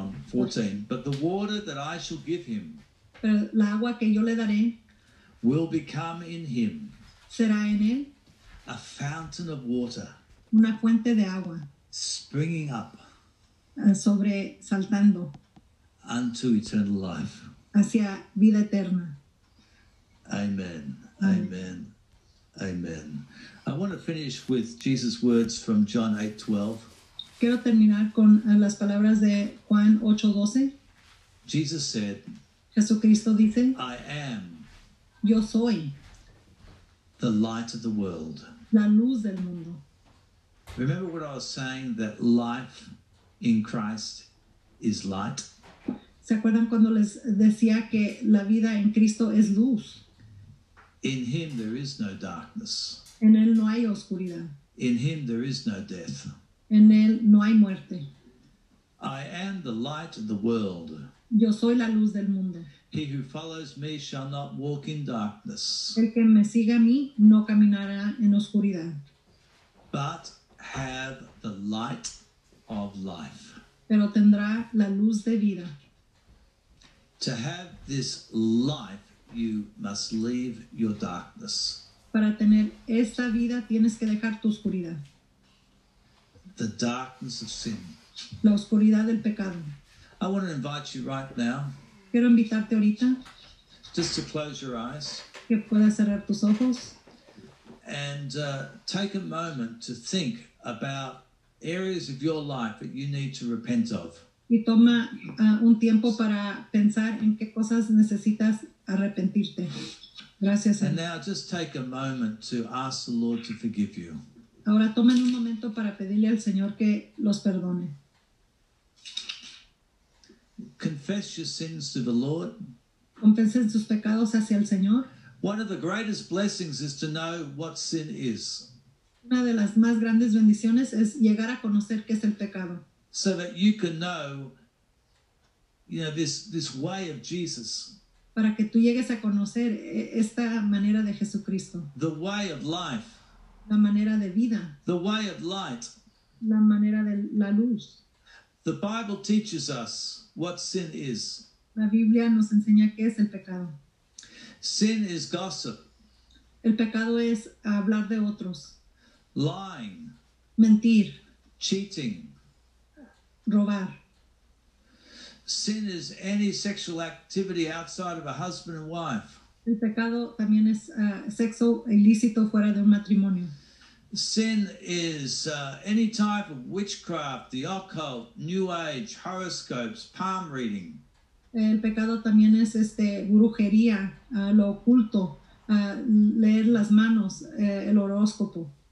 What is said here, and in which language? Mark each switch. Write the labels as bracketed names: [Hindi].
[English] 14, but the water that I shall give him, [Spanish] pero la agua que yo le daré, [English] will become in him, [Spanish] será en él, [English] a fountain of water, [Spanish] una fuente de agua, [English] springing up, [Spanish] sobresaltando, [English] unto eternal life, [Spanish] hacia vida eterna. [English] Amen. Amen. Amen. I want to finish with Jesus' words from John 8:12. [Spanish] Quiero terminar con las palabras de Juan 8:12. [English] Jesus said, [Spanish] Jesucristo dice, [English] I am, [Spanish] yo soy, [English] the light of the world, [Spanish] la luz del mundo. [English] Remember what I was saying, that life in Christ is light? [Spanish] ¿Se acuerdan cuando les decía que la vida en Cristo es luz? [English] In him there is no darkness. [Spanish] En él no hay oscuridad. [English] In him there is no death. [Spanish] En él no hay muerte. [English] I am the light of the world. [Spanish] Yo soy la luz del mundo. [English] He who follows me shall not walk in darkness. [Spanish] El que me siga a mí no caminará en oscuridad. [English] But have the light of life. [Spanish] Pero tendrá la luz de vida. [English] To have this life, you must leave your darkness. [Spanish] Para tener esta vida, tienes que dejar tu oscuridad. [English] The darkness of sin. [Spanish] La oscuridad del pecado. [English] I want to invite you right now. [Spanish] Quiero invitarte ahorita. [English] Just to close your eyes. [Spanish] Que puedas cerrar tus ojos. [English] And take a moment to think about areas of your life that you need to repent of. [Spanish] Y toma un tiempo para pensar en qué cosas necesitas arrepentirte. Gracias. [English] And now just take a moment to ask the Lord to forgive you. [Spanish] Ahora tomen un momento para pedirle al Señor que los perdone. [English] Confess your sins to the Lord. [Spanish] Confiesen sus pecados hacia el Señor. [English] One of the greatest blessings is to know what sin is. [Spanish] Una de las más grandes bendiciones es llegar a conocer qué es el pecado. [English] So that you can know, you know, this way of Jesus. [Spanish] Para que tú llegues a conocer esta manera de Jesucristo. [English] The way of life. [Spanish] La manera de vida. [English] The way of light. [Spanish] La manera de la luz. [English] The Bible teaches us what sin is. [Spanish] La Biblia nos enseña qué es el pecado. [English] Sin is gossip. [Spanish] El pecado es hablar de otros. [English] Lying. [Spanish] Mentir. [English] Cheating. [Spanish] Robar. [English] Sin is any sexual activity outside of a husband and wife. [Spanish] El pecado también es sexo ilícito fuera de un matrimonio. [English] Sin is any type of witchcraft, the occult, new age, horoscopes, palm reading. [Spanish] El pecado también es brujería, lo oculto, leer las manos, el horóscopo.